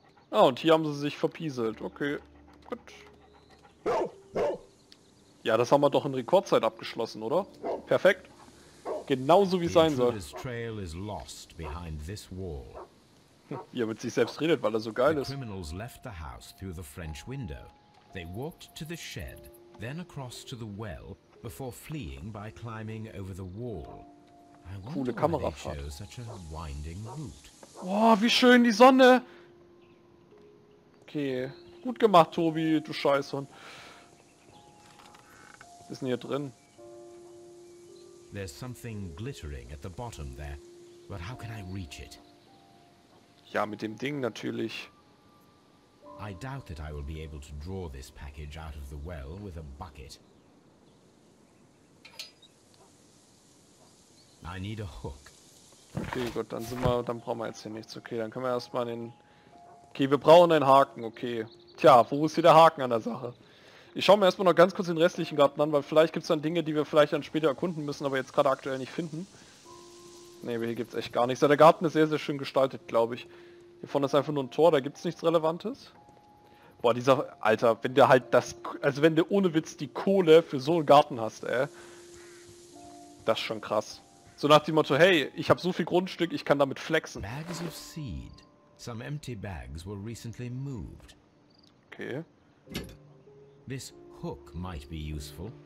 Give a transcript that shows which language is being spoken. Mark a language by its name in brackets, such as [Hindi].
[German] Ah, und hier haben sie sich verpieselt. Okay. Gut. Ja, das haben wir doch in Rekordzeit abgeschlossen, oder? Perfekt. Genauso wie sein soll. [English] The trail is lost behind this wall. [German] Ja, mit sich selbst redet, weil er so geil ist. [English] The criminals left the house through the French window. They walked to the shed, then across to the well, before fleeing by climbing over the wall. I wonder [German] coole Kamerafahrt. [English] Why they chose such a winding route. [German] Wow, wie schön die Sonne. Okay, gut gemacht, Tobi, du Scheißhund. Was ist denn hier drin? [English] There's something glittering at the bottom there, but how can I reach it? [German] Ja, mit dem Ding natürlich. [English] I doubt that I will be able to draw this package out of the well with a bucket. I need a hook. [German] Okay, gut, dann brauchen wir jetzt hier nichts. Okay, dann können wir erstmal den... Okay, wir brauchen einen Haken, okay. Tja, wo ist hier der Haken an der Sache? Ich schaue mir erstmal noch ganz kurz den restlichen Garten an, weil vielleicht gibt es dann Dinge, die wir vielleicht dann später erkunden müssen, aber jetzt gerade aktuell nicht finden. Ne, hier gibt es echt gar nichts. Der Garten ist sehr, sehr schön gestaltet, glaube ich. Hier vorne ist einfach nur ein Tor, da gibt es nichts Relevantes. Boah, dieser... Alter, wenn der halt das... Also wenn du ohne Witz die Kohle für so einen Garten hast, ey. Das ist schon krass. So nach dem Motto, hey, ich habe so viel Grundstück, ich kann damit flexen. [English] Bags of seed. Some empty bags were recently moved. Okay. This hook might be useful.